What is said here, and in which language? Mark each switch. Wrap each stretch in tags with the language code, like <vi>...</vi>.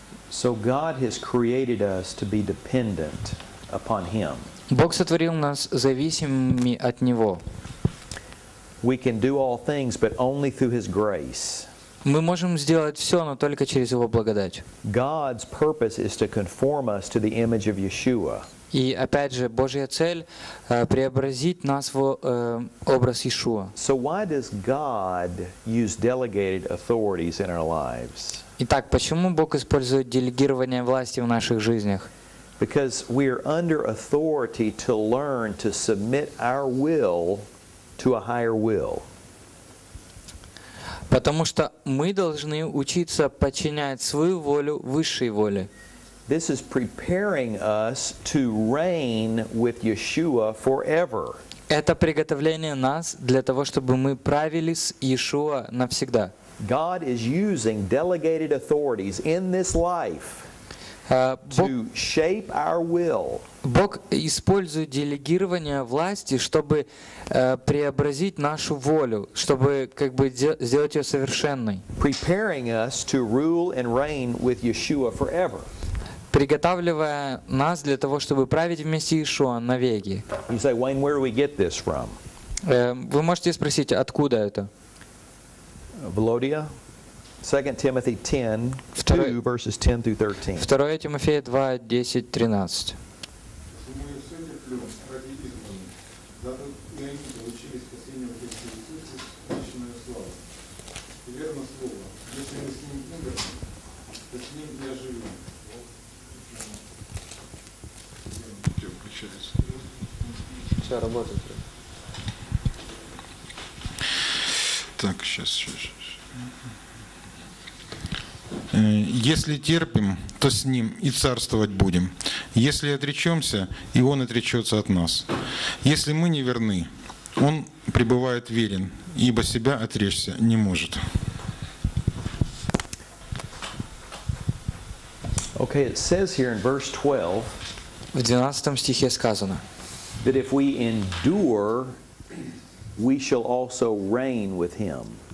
<en>So God has created us to be dependent upon Him.</en> <ru>Бог сотворил нас зависимыми от Него.</ru> <en>We can do all things, but only through His grace.</en> <ru>Мы можем сделать все, но только через Его благодать.</ru> <en>God's purpose is to conform us to the image of Yeshua.</en> <ru>И опять же, Божья цель преобразить нас в образ Иешуа.</ru> <en>So why does God use delegated authorities in our lives?</en> <ru>Итак, почему Бог использует делегирование власти в наших жизнях?</ru> <en>Because we are under authority to learn to submit our will to a higher will.</en> <ru>Потому что мы должны учиться подчинять свою волю высшей воле.</ru> <en>This is preparing us to reign with Yeshua forever.</en> <ru>Это приготовление нас для того, чтобы мы правили с Иешуа навсегда.</ru> <en>God is using delegated authorities in this life to shape our will.</en> <ru>Бог использует делегирование власти, чтобы преобразить нашу волю, чтобы как бы сделать ее совершенной.</ru> <en>Preparing us to rule and reign with Yeshua forever.</en> <ru>Приготавливая нас для того, чтобы править вместе с Иешуа навеки.</ru> <en>You say, Wayne, where do we get this from?</en> <ru>Вы можете спросить, откуда это?</ru> <en>Володя, 2 Timothy 10, 2, verses 10 through 13.</en> <ru>2 Тимофея 2, 10, 13. Так, сейчас. Если терпим, то с ним и царствовать будем. Если отречемся, и он отречется от нас. Если мы не верны, он пребывает верен, ибо себя отречься не может.</ru> <en>Okay, it says here in verse 12.</en> <ru>В 12 стихе сказано.</ru> <en>That if we endure, we shall also reign with him.</en>